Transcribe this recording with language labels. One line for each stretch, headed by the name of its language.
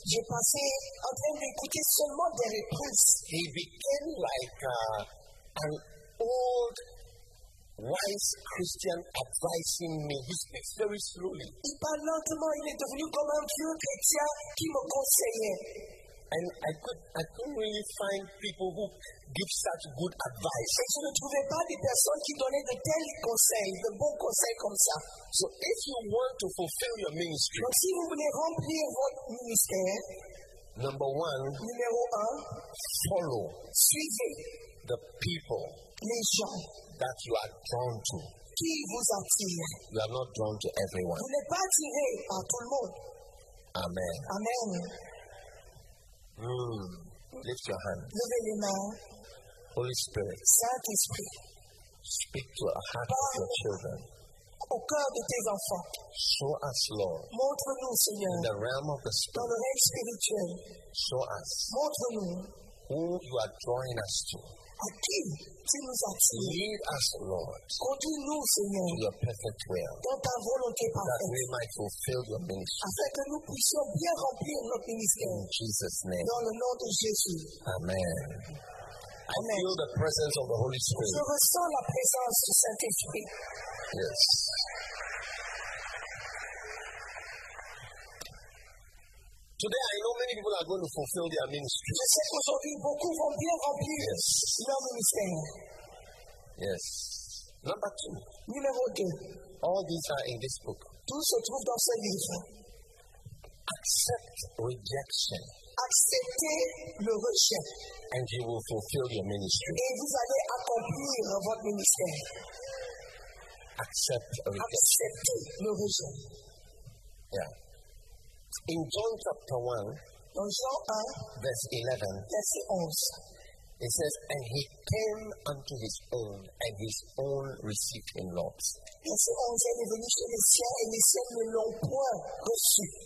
French: Je passais en train d'écouter seulement Derek Prince.
English: He became like an old, wise Christian advising me. He speaks very slowly.
French: Il parle lentement. Il est devenu comme un vieux chrétien qui me conseillait.
English: And I couldn't really find people who give such good advice.
French: Et je ne trouvais pas des personnes qui donnaient de tels conseils, de bons conseils comme ça.
English: So if you want to fulfill your ministry,
French: donc si vous voulez remplir votre ministère,
English: number one,
French: numéro un,
English: follow,
French: suivez
English: the people,
French: les gens
English: that you are drawn to.
French: Qui vous attire.
English: You are not drawn to everyone.
French: Vous n'êtes pas attiré à tout le monde.
English: Amen.
French: Amen.
English: Lift your hand.
French: Levez les mains.
English: Holy Spirit.
French: Saint-Esprit.
English: Speak to the heart of your children.
French: Au cœur de tes enfants.
English: Show us, Lord.
French: Montre-nous, Seigneur.
English: In the realm of the spirit.
French: Dans le règne spirituel.
English: Show us.
French: Montre-nous.
English: Who you are drawing us to.
French: À qui tu nous attires.
English: Lead us, Lord.
French: Conduis-nous, Seigneur.
English: To your perfect will.
French: Dans ta volonté parfaite.
English: That we might fulfill your ministry.
French: Afin que nous puissions bien remplir notre ministère.
English: In Jesus' name.
French: Dans le nom de Jésus.
English: Amen.
French: Amen.
English: I feel the presence of the Holy Spirit.
French: Je ressens la présence du Saint-Esprit.
English: Yes. Today I know many people are going to fulfill their ministry.
French: Je sais qu'aujourd'hui beaucoup vont bien remplir leur ministère.
English: Yes. Number two.
French: Numéro deux.
English: All these are in this book.
French: Tout se trouve dans ce livre.
English: Accept rejection.
French: Acceptez le rejet.
English: And you will fulfill your ministry.
French: Et vous allez accomplir votre ministère.
English: Accept rejection.
French: Acceptez le rejet.
English: Yeah. In John chapter 1,
French: dans Jean 1,
English: verse 11,
French: verset 11,
English: it says, and he came unto his own, and his own received him not.
French: Verset 11, il est venu chez les siens, et les siens ne l'ont point reçu.